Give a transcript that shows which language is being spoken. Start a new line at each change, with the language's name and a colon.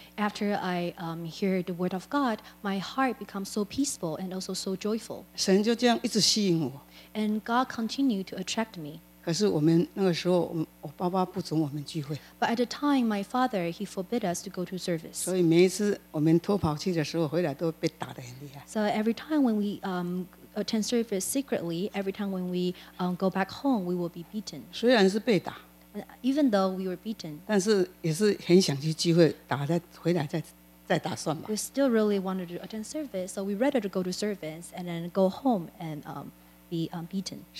English: After I hear the word of God, my heart becomes so peaceful and also so joyful.
Chinese: 神就这样一直吸引我。
English: And God continued to attract me.
Chinese: 可是我们那个时候，我爸爸不准我们聚会。
English: But at the time, my father he forbid us to go to service.
Chinese: 所以每一次我们偷跑去的时候，回来都被打得很厉害。
English: So every time when we attend service secretly, every time when we go back home, we will be beaten.
Chinese: 虽然是被打,
English: even though we were beaten,
Chinese: 但是也是很想去聚会打，再回来再打算吧。
English: We still really wanted to attend service, so we rather to go to service and then go home and be beaten.